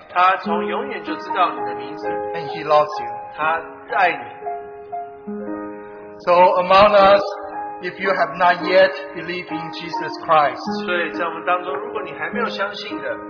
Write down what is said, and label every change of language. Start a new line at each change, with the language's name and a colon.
Chinese: 他从永远就知道你的名字。
English: And he loves you.
Chinese: 他爱你。
English: So among us, if you have not yet believed in Jesus Christ,
Chinese: 所以在我们当中，如果你还没有相信的。